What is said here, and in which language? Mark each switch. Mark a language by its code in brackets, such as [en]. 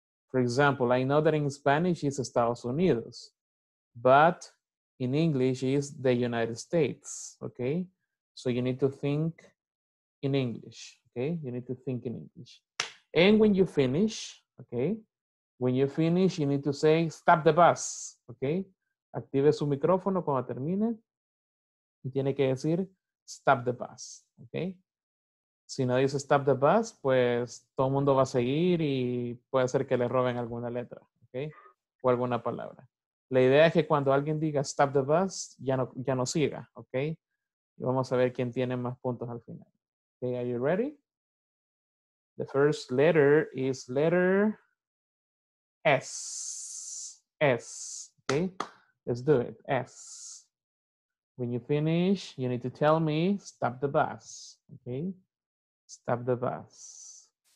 [en] For example, I know that in Spanish it's Estados Unidos, but in English it's the United States, okay? So you need to think in English, okay? You need to think in English. And when you finish, okay? When you finish, you need to say, stop the bus, okay? [es] Active su micrófono cuando termine y tiene que decir [en] stop the bus, [es] okay? Si no dice [en] stop the bus, [es] pues todo el mundo va a seguir y puede ser que le roben alguna letra, okay? O alguna palabra. La idea es que cuando alguien diga [en] stop the bus, [es] ya no siga, okay? Y vamos a ver quién tiene más puntos al final. [en] Okay, are you ready? The first letter is letter S. S. Okay, let's do it. S. When you finish, you need to tell me, stop the bus. Okay, stop the bus.